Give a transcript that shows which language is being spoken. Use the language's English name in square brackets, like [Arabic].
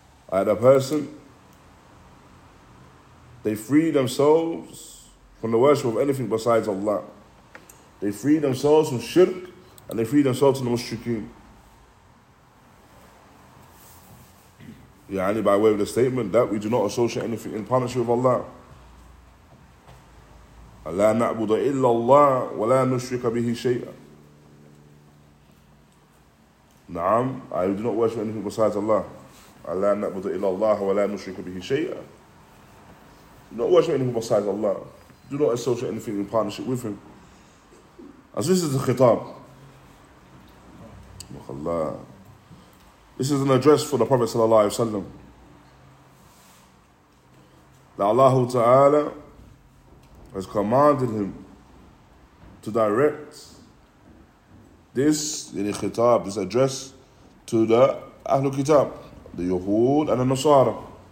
[English] At a person, they free themselves from the worship of anything besides Allah. They free themselves from shirk and they free themselves from the mushrikeen. Yani, by way of the statement that we do not associate anything in partnership with Allah. [Arabic] لا نعبد إلا الله ولا نشرك به شيئا. [English] نعم, I do not worship anything besides Allah. [Arabic] لا نعبد إلا الله ولا نشرك به شيئا. [English] Do not worship anything besides Allah. Do not associate anything in partnership with Him. As this is the khitab. This is an address for the Prophet sallallahu alaihi wasallam. That Allah Ta'ala has commanded him to direct this in the khitab, this address to the Ahlul Kitab, the Yahud and the Nasara.